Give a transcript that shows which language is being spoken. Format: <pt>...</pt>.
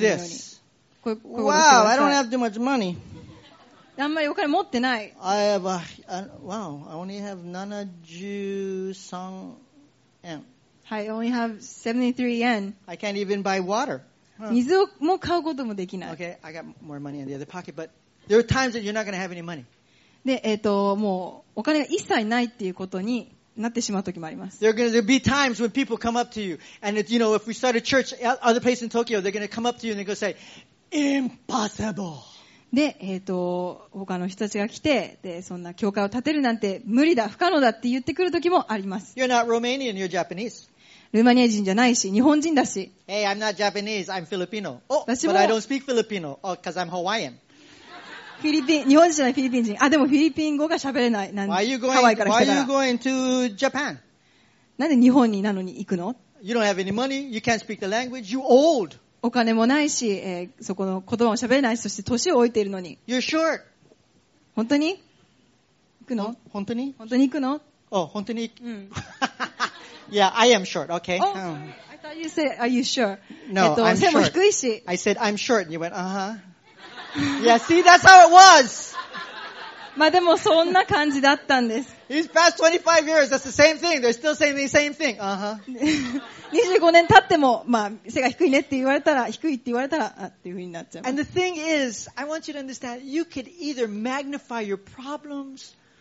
<en>you're gonna do this. Wow, I don't have too much money.</en> <ja>あんまりお金持ってない。</ja> <en>I have I only have 73</en> <ja>円。</ja> <en>I only have 73 yen. I can't even buy water.</en> <ja>水をもう買うこともできない。</ja> <en>Okay, I got more money in the other pocket, but there are times that you're not going to have any money.</en> <ja>で、もうお金が一切ないっていうことになってしまう時もあります。</ja> <en>There are going to be times when people come up to you, and it, you know, if we start a church at other place in Tokyo, they're going to come up to you and they're going to say, impossible.</en> <ja>で、他の人たちが来て、で、そんな教会を建てるなんて無理だ、不可能だって言ってくる時もあります。</ja> <en>You're not Romanian, you're Japanese.</en> <ja>ルーマニア人じゃないし、日本人だし。</ja> <en>Hey, I'm not Japanese, I'm Filipino. Oh, but I don't speak Filipino, because I'm Hawaiian.</en> <ja>フィリピン、日本人じゃないフィリピン人。あ、でもフィリピン語が喋れない。なんで、ハワイから来たから。</ja> <en>Why are you going to Japan?</en> <ja>なんで日本になのに行くの</ja> <en>?You don't have any money, you can't speak the language, you're old.</en> <ja>お金もないし、そこの言葉も喋れないし、そして年を置いているのに。</ja> <en>You're short.</en> <ja>本当に行くの本当に本当に行くの本当に行く。うん。</ja> <en>Yeah, I am short, okay. Oh, I thought you said, are you sure? No, I'm short.</en> <ja>背も低いし。</ja> <en>I said, I'm short, and you went, uh-huh. Yeah, see, that's how it was!</en> <ja>まあでもそんな感じだったんです。</ja> <en>He's past 25 years, that's the same thing, they're still saying the same thing,</en> <ja>uh-huh. 25年経っても、まあ背が低いねって言われたら、低いって言われたら、っていう風になっちゃう。</ja> <en>And the thing is, I want you to understand, you could either magnify your problems,</en>